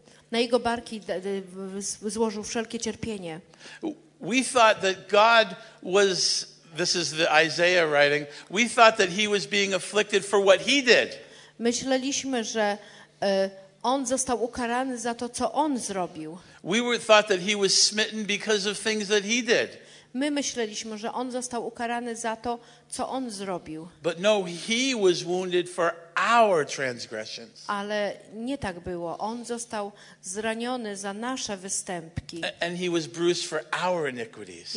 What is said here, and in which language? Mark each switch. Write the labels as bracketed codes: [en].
[pl] Na jego barki złożył wszelkie cierpienie. [en] We thought that God was, this is the Isaiah writing, we thought that he was being afflicted for what he did. [pl] Myśleliśmy, że on został ukarany za to, co on zrobił. [en] We were thought that he was smitten because of things that he did. [pl] My myśleliśmy, że on został ukarany za to, co on zrobił. [en] But no, he was wounded for our transgressions. [pl] Ale nie tak było. On został zraniony za nasze występki. [en] And he was bruised for our iniquities.